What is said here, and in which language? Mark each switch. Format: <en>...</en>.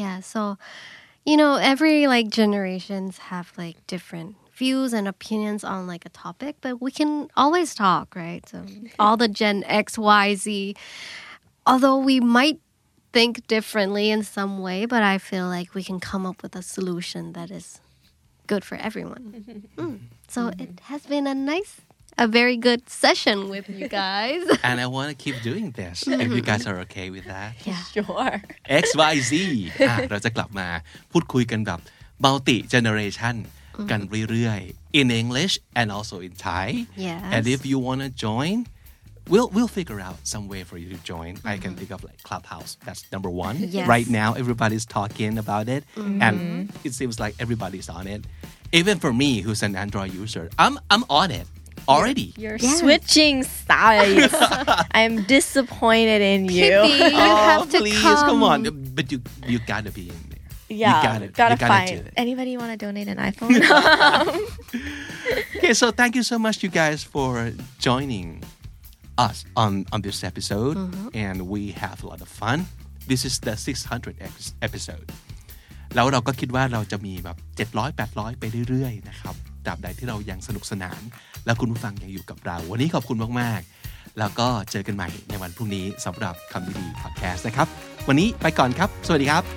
<en>so you know every like generations have like different views and opinions on like a topic but we can always talk right so all the Gen X Y Z although we might think differently in some way but I feel like we can come up with a solution that isis good for everyone. So it has been a very good session with you guys. And I want to keep doing this if you guys are okay with that. Yeah. Sure. XYZ.</en> <th>เราจะกลับมาพูดคุยกันแบบ multi generation กันเรื่อย</th> <en>in English and also in Thai. Yes. And if you want to join, we'll figure out some way for you to join. I can think of like Clubhouse. That's number one. Yes. Right now, everybody's talking about it. And it seems like everybody's on it. Even for me, who's an Android user, I'm on it already. You're switching sides. I'm disappointed in you. Pippi, you have to please, come. Please, come on. But you got to be in there. Yeah, you gotta find anybody want to donate an iPhone? Okay, so thank you so much, you guys, for joining us on this episode and we have a lot of fun. This is the 600th episode.</en> <th>แล้วเราก็คิดว่าเราจะมีแบบ700 800ไปเรื่อยๆนะครับตราบใดที่เรายังสนุกสนานแล้วคุณผู้ฟังยังอยู่กับเราวันนี้ขอบคุณมากๆแล้วก็เจอกันใหม่ในวันพรุ่งนี้สำหรับคำดีๆพอดแคสต์นะครับวันนี้ไปก่อนครับสวัสดีครับ</th>